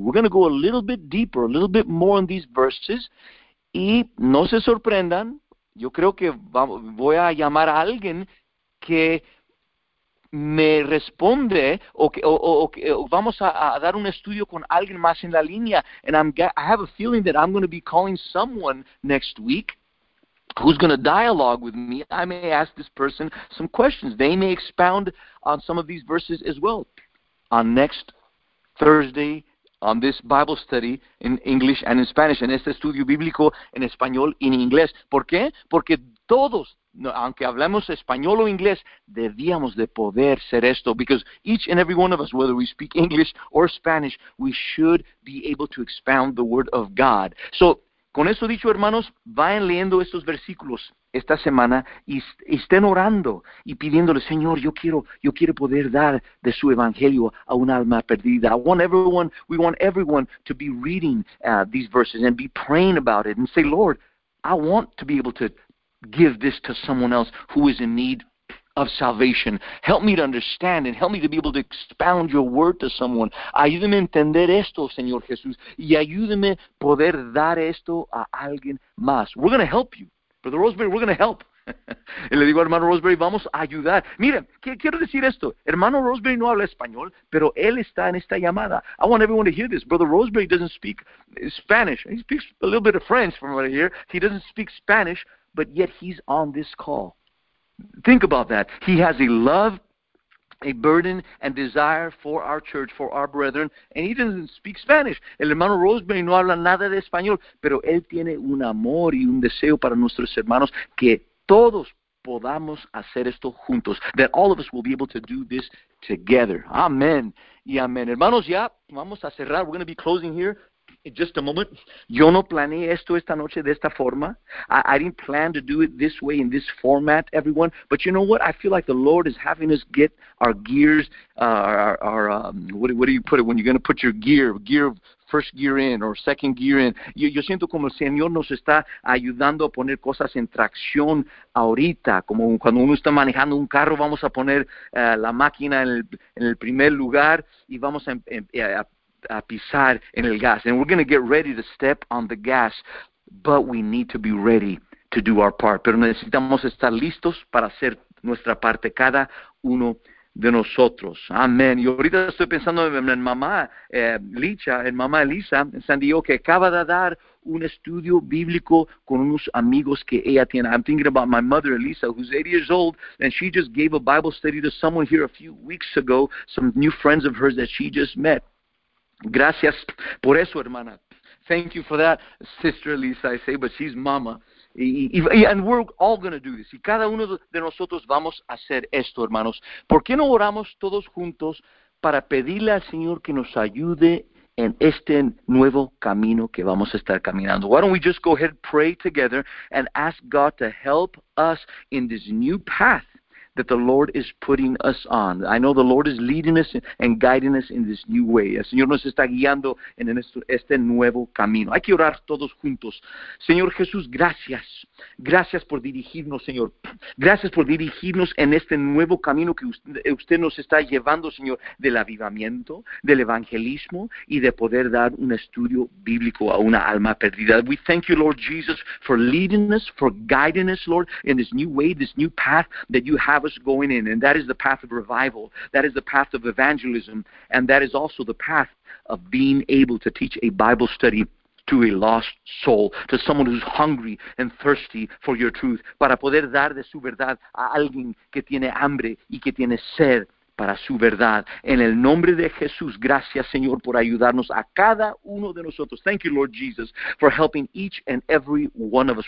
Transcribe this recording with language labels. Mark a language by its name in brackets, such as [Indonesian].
[English] We're going to go a little bit deeper, a little bit more on these verses. [Spanish] Y no se sorprendan, yo creo que voy a llamar a alguien que me responde, o vamos a dar un estudio con alguien más en la línea. [English] And I have a feeling that I'm going to be calling someone next week who's going to dialogue with me. I may ask this person some questions. They may expound on some of these verses as well. On next Thursday, on this Bible study in English and in Spanish, [Spanish] en este estudio bíblico en español y en inglés. ¿Por qué? Porque todos, aunque hablemos español o inglés, debíamos de poder ser esto. [English] Because each and every one of us, whether we speak English or Spanish, we should be able to expound the Word of God. [Spanish] So, con eso dicho, hermanos, vayan leyendo estos versículos esta semana y estén orando y pidiéndole, Señor, yo quiero poder dar de su evangelio a un alma perdida. [English] We want everyone to be reading these verses and be praying about it and say, Lord, I want to be able to give this to someone else who is in need of salvation. Help me to understand and help me to be able to expound your word to someone. [Spanish] Ayúdeme a entender esto, Señor Jesús, y ayúdeme poder dar esto a alguien más. [English] We're going to help you. Brother Roseberry, we're going to help. [Spanish] Y le digo a hermano Roseberry, vamos a ayudar. Mira, quiero decir esto. Hermano Roseberry no habla español, pero él está en esta llamada. [English] I want everyone to hear this. Brother Roseberry doesn't speak Spanish. He speaks a little bit of French from what I hear. He doesn't speak Spanish, but yet he's on this call. Think about that. He has a love, a burden, and desire for our church, for our brethren, and he doesn't speak Spanish. [Spanish] El hermano Roseberry no habla nada de español, pero él tiene un amor y un deseo para nuestros hermanos que todos podamos hacer esto juntos, [English] that all of us will be able to do this together. [Spanish] Amen. Y amen. Hermanos, ya vamos a cerrar. [English] We're going to be closing here. Just a moment. [Spanish] Yo no planeé esto esta noche de esta forma. [English] I didn't plan to do it this way in this format, everyone. But you know what? I feel like the Lord is having us get our gears, what do you put it, when you're going to put your first gear in or second gear in. [Spanish] Yo siento como el Señor nos está ayudando a poner cosas en tracción ahorita. Como cuando uno está manejando un carro, vamos a poner la máquina en el primer lugar y vamos a pisar en el gas, [English] and we're going to get ready to step on the gas, but we need to be ready to do our part. [Spanish] Pero necesitamos estar listos para hacer nuestra parte, cada uno de nosotros. Amén. Y ahorita estoy pensando en mamá Licha, en mamá Elisa, en San Diego, que acaba de dar un estudio bíblico con unos amigos que ella tiene. [English] I'm thinking about my mother, Elisa, who's 80 years old, and she just gave a Bible study to someone here a few weeks ago, some new friends of hers that she just met. [Spanish] Gracias por eso, hermana. [English] Thank you for that, Sister Elisa, I say, but she's mama. And we're all going to do this. [Spanish] Y cada uno de nosotros vamos a hacer esto, hermanos. ¿Por qué no oramos todos juntos para pedirle al Señor que nos ayude en este nuevo camino que vamos a estar caminando? [English] Why don't we just go ahead and pray together and ask God to help us in this new path that the Lord is putting us on. I know the Lord is leading us and guiding us in this new way. [Spanish] El Señor nos está guiando en este nuevo camino. Hay que orar todos juntos. Señor Jesús, gracias. Gracias por dirigirnos, Señor. Gracias por dirigirnos en este nuevo camino que usted nos está llevando, Señor, del avivamiento, del evangelismo y de poder dar un estudio bíblico a una alma perdida. [English] We thank you, Lord Jesus, for leading us, for guiding us, Lord, in this new way, this new path that you have us going in, and that is the path of revival, that is the path of evangelism, and that is also the path of being able to teach a Bible study to a lost soul, to someone who's hungry and thirsty for your truth, [Spanish] para poder dar de su verdad a alguien que tiene hambre y que tiene sed para su verdad. En el nombre de Jesús, gracias, Señor, por ayudarnos a cada uno de nosotros. [English] Thank you, Lord Jesus, for helping each and every one of us.